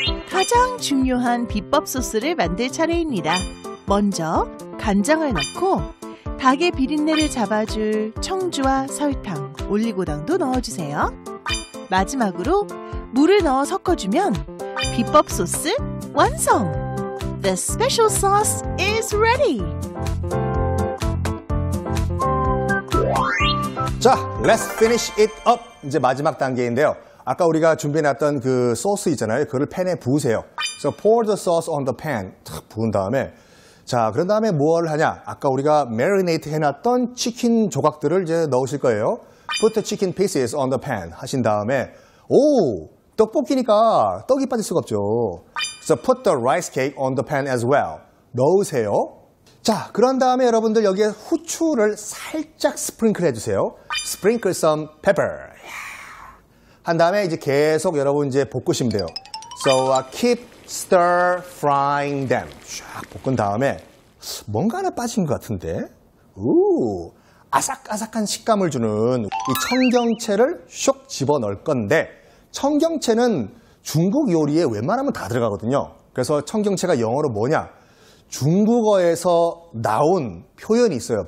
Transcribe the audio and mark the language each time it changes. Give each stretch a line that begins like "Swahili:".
Korean: 가장 중요한 비법 소스를 만들 차례입니다. 먼저 간장을 넣고 닭의 비린내를 잡아줄 청주와 설탕, 올리고당도 넣어주세요. 마지막으로 물을 넣어 섞어주면 비법 소스 완성!
English: The special sauce is ready!
Korean: 자,
English: let's finish it up!
Korean: 이제 마지막 단계인데요. 아까 우리가 준비해놨던 그 소스 있잖아요. 그걸 팬에 부으세요.
English: So pour the sauce on the pan.
Korean: 탁 부은 다음에 자, 그런 다음에 뭐를 하냐? 아까 우리가 마리네이트 해놨던 치킨 조각들을 이제 넣으실 거예요.
English: Put the chicken pieces on the pan
Korean: 하신 다음에 오! 떡볶이니까 떡이 빠질 수가 없죠.
English: So put the rice cake on the pan as well.
Korean: 넣으세요. 자, 그런 다음에 여러분들 여기에 후추를 살짝 스프링클 해주세요.
English: Sprinkle some pepper.
Korean: 한 다음에 이제 계속 여러분 이제 볶으시면 돼요.
English: So keep stir frying them.
Korean: 쫙 볶은 다음에 뭔가 하나 빠진 것 같은데? 오, 아삭아삭한 식감을 주는 이 청경채를 쇽 집어넣을 건데 청경채는 중국 요리에 웬만하면 다 들어가거든요. 그래서 청경채가 영어로 뭐냐? 중국어에서 나온 표현이 있어요.